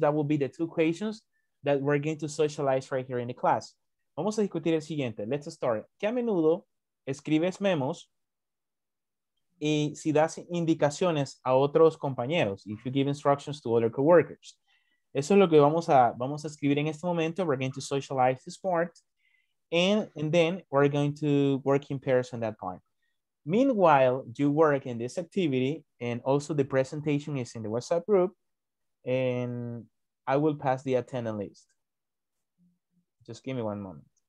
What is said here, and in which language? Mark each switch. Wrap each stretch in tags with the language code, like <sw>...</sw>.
<en>That will be the two questions that we're going to socialize right here in the class.</en> <es>Vamos a discutir el siguiente.</es> <en>Let's start.</en> <es>¿Qué a menudo escribes memos y si das indicaciones a otros compañeros?</es> <en>If you give instructions to other coworkers.</en> <es>Eso es lo que vamos a escribir en este momento.</es> <en>We're going to socialize this part. And then we're going to work in pairs on that part. Meanwhile, you work in this activity and also the presentation is in the WhatsApp group. And I will pass the attendance list. Just give me one moment.</en>